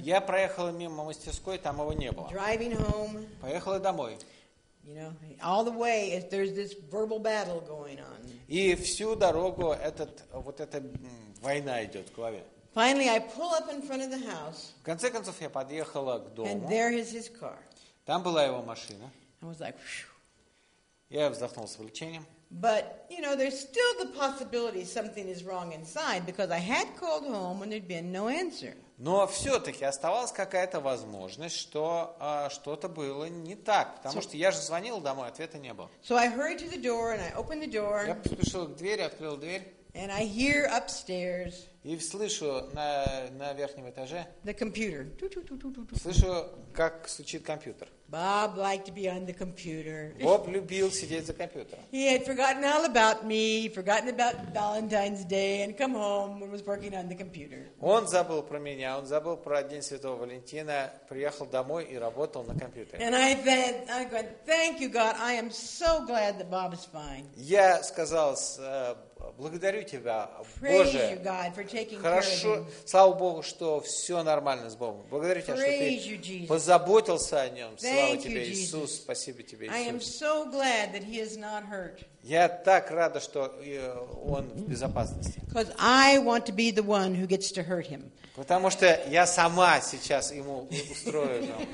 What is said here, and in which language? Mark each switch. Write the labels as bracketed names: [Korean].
[Russian] Я проехала мимо мастерской, там его не было. [English] Driving home. [Russian] Поехала домой. [English] You know, all the way, there's this verbal battle going on. [Russian] И всю дорогу этот, вот эта война идет в голове. [English] Finally, I pull up in front of the house. [Russian] В конце концов, я подъехала к дому. [English] And there is his car. [Russian] Там была его машина. [English] I was like, phew. [Russian] Я вздохнул с облегчением. [English] But, you know, there's still the possibility something is wrong inside because I had called home and there'd been no answer. [Russian] Но все-таки оставалась какая-то возможность, что что-то было не так. Потому что я же звонил домой, ответа не было. [English] So I hurried to the door and I opened the door. [Russian] Я поспешил к двери, открыл дверь. [English] And I hear upstairs. [Russian] И слышу на верхнем этаже. [English] The computer. [Russian] Слышу, как стучит компьютер. [English] Bob liked to be on the computer. [Russian] Боб любил сидеть за компьютером. [English] He had forgotten all about me, forgotten about Valentine's Day, and come home and was working on the computer. [Russian] Он забыл про меня, он забыл про день Святого Валентина, приехал домой и работал на компьютере. [English] And I said, thank you, God, I am so glad that Bob is fine. [Russian] Я сказал, благодарю тебя, Боже. [English] Praise you, God, for taking care of him. [Russian] Слава Богу, что все нормально с Богом. Благодарю тебя, что ты позаботился о нем. [English] Thank [Russian] слава тебе, [English] you, [Russian] Иисус. [English] Jesus. [Russian] Спасибо тебе, Иисус. [English] I am so glad that he is not hurt. [Russian] Я так рада, что он в безопасности. [English] Because I want to be the one who gets to hurt him. [Russian] Потому что я сама сейчас ему устрою.